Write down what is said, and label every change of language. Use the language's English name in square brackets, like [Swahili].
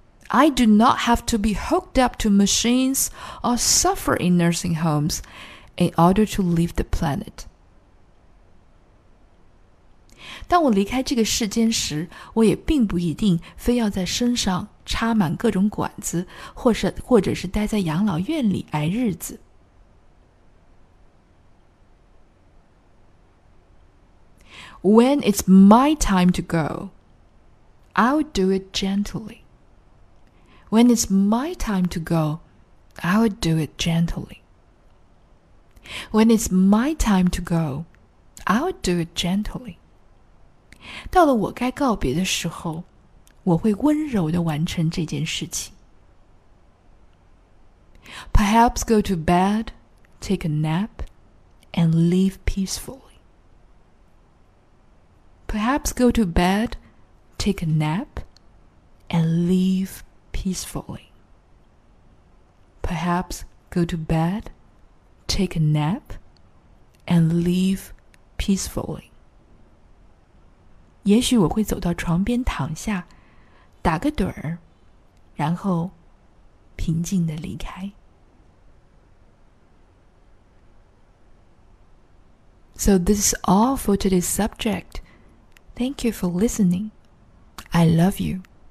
[English] I do not have to be hooked up to machines or suffer in nursing homes in order to leave the planet. [Chinese] 当我离开这个世间时，我也并不一定非要在身上插满各种管子，或者是待在养老院里挨日子。 [English] When it's my time to go, I'll do it gently. When it's my time to go, I'll do it gently. When it's my time to go, I'll do it gently. [Chinese] 到了我该告别的时候，我会温柔地完成这件事情。 [English] Perhaps go to bed, take a nap, and leave peacefully. Perhaps go to bed, take a nap, and leave peacefully. Perhaps go to bed, take a nap, and leave peacefully. [Chinese] 也许我会走到床边躺下，打个盹儿，然后平静地离开。 [English] So this is all for today's subject. Thank you for listening. I love you.